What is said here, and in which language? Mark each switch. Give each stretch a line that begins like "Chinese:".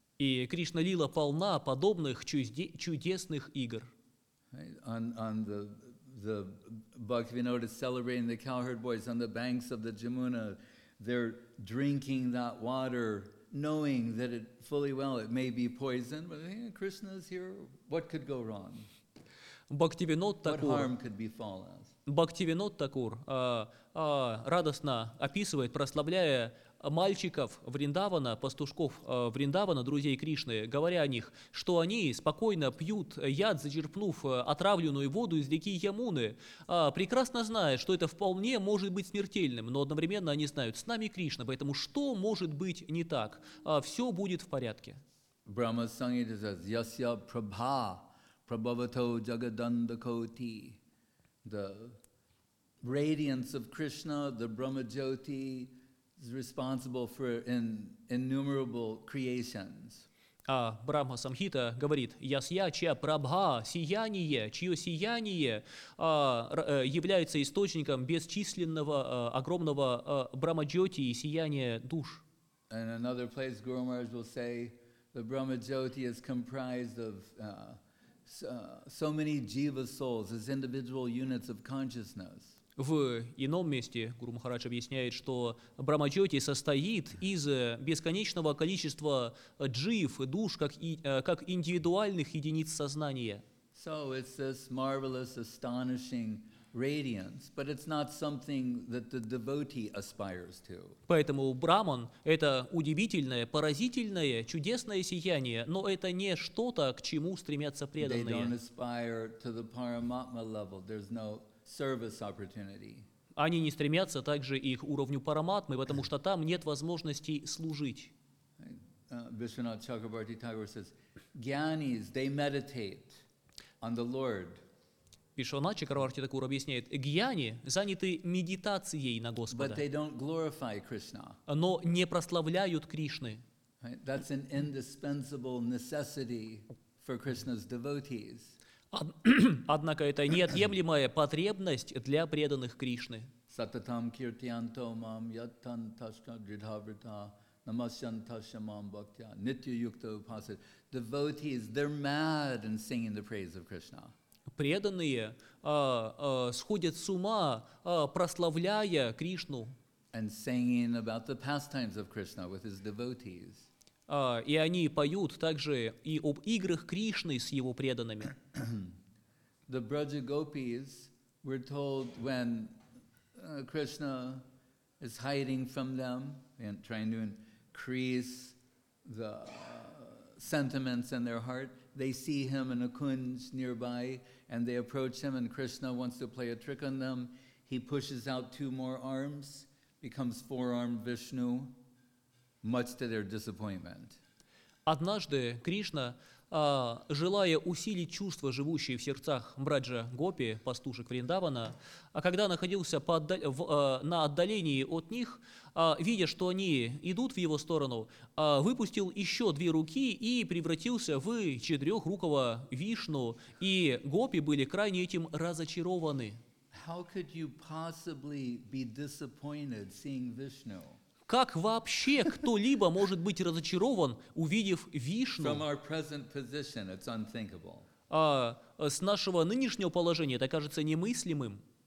Russian: И Кришна лила полна подобных чудесных игр.
English: On the Bhaktivinoda celebrating the cowherd boys on the banks of the Jamuna, they're drinking that water, knowing that it fully well it may be poison, but hey, Krishna's here. What could go wrong?
Russian: Бхактивинод Такур радостно описывает, прославляя мальчиков Вриндавана, пастушков Вриндавана, друзей Кришны, говоря о них, что они спокойно пьют яд, зачерпнув отравленную воду из реки Ямуны, прекрасно зная, что это вполне может быть смертельным, но одновременно они знают, с нами Кришна, поэтому что может быть не так? Все будет в порядке.
Sanskrit: Брахма Сангхита
English: says,
Sanskrit: Yasya Prabha Prabhavato Jagadandakoti.
English: The radiance of Krishna, the Brahma Jyoti, is responsible for innumerable creations.
Russian: А Брахма Самхита говорит, Ясья чья прабха, сияние, чье сияние является источником бесчисленного огромного Брахма Джоти и сияния душ.
English: In another place, Guru Maharaj will say, the Brahma Jyoti is comprised of so many jiva souls as individual units of consciousness.
Russian: В ином месте Гуру Махарадж объясняет, что Брахма-джоти состоит из бесконечного количества джив, душ, как индивидуальных единиц сознания.
English: So it's this marvelous, astonishing radiance, but it's not something that the devotee aspires to.
Russian: Поэтому Брахман — это удивительное, поразительное, чудесное сияние, но это не что-то, к чему стремятся преданные.
English: They don't aspire to the Paramatma level. There's no service opportunity.
Russian: Они не стремятся также и к уровню параматмы, потому что там нет возможности служить.
English: Vishwanath Chakrabarti Thakur says, Gyanis, they meditate on the Lord.
Russian: Vishwanath Chakrabarti Thakur объясняет, гьяни заняты медитацией на Господа.
English: But they don't glorify Krishna.
Russian: Но не прославляют Кришны.
English: That's an indispensable necessity for Krishna's devotees.
Russian: Однако это неотъемлемая потребность для преданных Кришны.
Sanskrit: Сататам киртианто мам яттан ташка дридхаврита намасян таша мам бхактя нитью юкто упасит.
English: Devotees, they're mad in singing the praise of Krishna.
Russian: Преданные сходят с ума, прославляя Кришну.
English: And singing about the pastimes of Krishna with his devotees.
Russian: И они поют также и об играх Кришны с его преданными.
English: The Braja Gopis were told when Krishna is hiding from them and trying to increase the sentiments in their heart, they see him in a kunj nearby and they approach him and Krishna wants to play a trick on them. He pushes out two more arms, becomes four-armed Vishnu, much to their disappointment.
Russian: Однажды Кришна, желая усилить чувства, живущие в сердцах Браджа Гопи, пастушек Вриндавана, а когда находился на отдалении от них, видя, что они идут в его сторону, выпустил еще две руки и превратился в четырехрукого Вишну, и Гопи были крайне этим разочарованы.
English: How could you possibly be disappointed seeing Vishnu?
Russian: Как вообще кто-либо может быть разочарован, увидев Вишну?
English: From our present position, it's unthinkable.
Russian: С нашего нынешнего положения это кажется немыслимым.